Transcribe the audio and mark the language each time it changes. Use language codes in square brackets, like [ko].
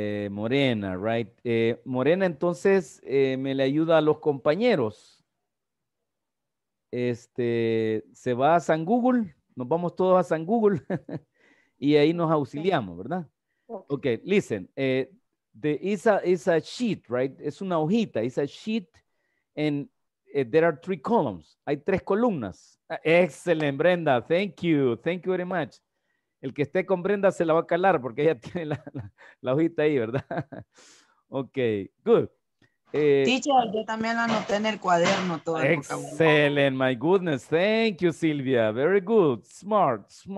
[es] Morena, right? Morena, entonces, me le ayuda a los compañeros. Se va a San Google, nos vamos todos a San Google, y ahí nos auxiliamos, ¿verdad? [en] Okay, listen, it's a sheet, right? [es] Es una hojita, [en] it's a sheet, and there are three columns. [es] Hay tres columnas. [en] Excellent, Brenda, thank you very much. [es] El que esté con Brenda se la va a calar porque ella tiene la hojita ahí, ¿verdad? [en] Okay, good. [es] Teacher, yo también la anoté en el cuaderno. Todo [en] excellent, my goodness, thank you, Silvia, very good, smart.